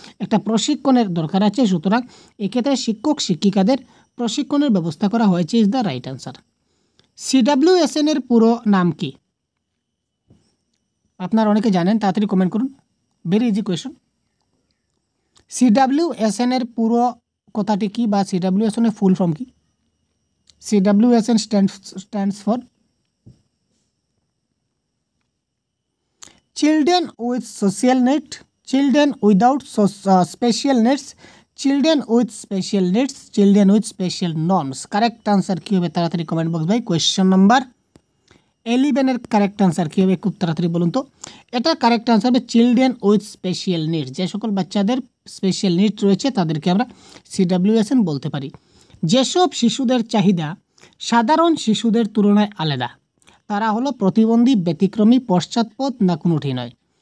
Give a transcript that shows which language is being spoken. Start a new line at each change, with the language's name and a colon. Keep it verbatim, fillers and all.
Bangla: একটা প্রশিক্ষণের দরকার আছে। সুতরাং এক্ষেত্রে শিক্ষক শিক্ষিকাদের প্রশিক্ষণের ব্যবস্থা করা হয়েছে
English: Is the right answer.
Bangla: CWSN এর পুরো নাম কি? আপনারা অনেকে জানেন, তাড়াতাড়ি কমেন্ট করুন,
English: Very easy question.
Bangla: সিডাব্লিউএসএন এর পুরো কথাটি কি বা সিডাব্লিউএসএন এর ফুল ফর্ম কি?
English: C W S N stands stands for children with social need, children without so, uh, special needs, children with special needs, children with special norms.
Bangla: Correct answer কি হবে তাড়াতাড়ি কমেন্ট বক্স ভাই। Question number eleven এর correct answer কী হবে খুব তাড়াতাড়ি বলুন তো। এটা কারেক্ট আনসার হবে চিলড্রেন উইথ স্পেশাল নিডস। যে সকল বাচ্চাদের স্পেশাল নিডস রয়েছে তাদেরকে আমরা সিডাব্লিউএসএন বলতে পারি। যেসব শিশুদের চাহিদা সাধারণ শিশুদের তুলনায় আলাদা তারা হলো প্রতিবন্ধী, ব্যতিক্রমী, পশ্চাৎপদ, না কোনোটি নয়।